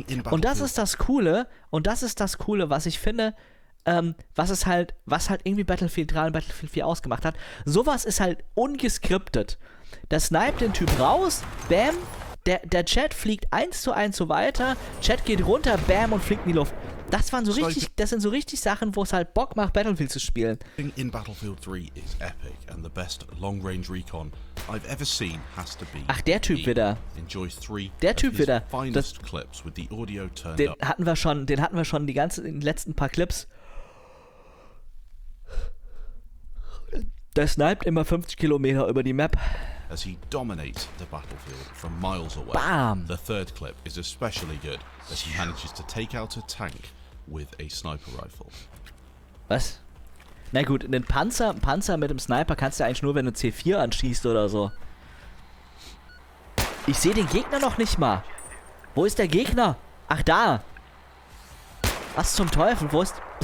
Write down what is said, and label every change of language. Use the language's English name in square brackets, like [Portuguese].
[German] Und das ist das Coole, was ich finde, was halt irgendwie Battlefield 3 und Battlefield 4 ausgemacht hat. Sowas ist halt ungeskriptet. Der snipe den Typ raus, bam, der Chat fliegt 1:1 so weiter, Chat geht runter, bam, und fliegt in die Luft. Das sind so richtig Sachen, wo es halt Bock macht, Battlefield zu spielen. [English] In Battlefield 3 is epic and the best long range recon I've ever seen has to be. [German] Ach, der Typ wieder. [English] Das clips with the audio turned up. [German] Den hatten wir schon in den letzten paar Clips. Der sniped immer 50 Kilometer über die Map. [English] As he dominates the battlefield from miles away. Bam! The third clip is especially good as he manages to take out a tank with a sniper rifle. [German] Was? Na gut, einen Panzer mit dem Sniper kannst du eigentlich nur, wenn du C4 anschießt oder so. Ich sehe den Gegner noch nicht mal. Wo ist der Gegner? Ach, da! Was zum Teufel? Wo ist...